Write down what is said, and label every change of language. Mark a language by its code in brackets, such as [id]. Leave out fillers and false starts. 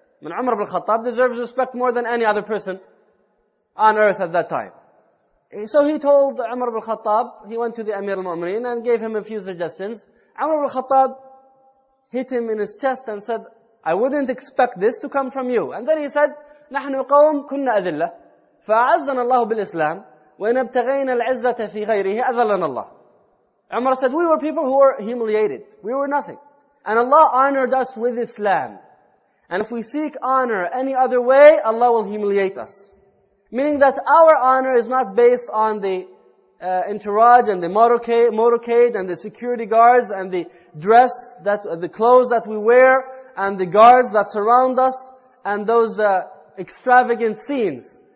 [en] I mean, Umar ibn Khattab deserves respect more than any other person on earth at that time. So he told Umar ibn Khattab, he went to the Amir al-Mu'mineen and gave him a few suggestions. Umar ibn Khattab hit him in his chest and said, I wouldn't expect this to come from you. And then he said, [ar] نحن قوم كنا أذلة فأعزنا الله بالإسلام وإن ابتغينا العزة في غيره أذلنا الله. [en] Umar said, we were people who were humiliated. We were nothing. And Allah honored us with Islam. And if we seek honor any other way, Allah will humiliate us. Meaning that our honor is not based on the entourage and the motorcade and the security guards and the dress, that the clothes that we wear and the guards that surround us and those extravagant scenes.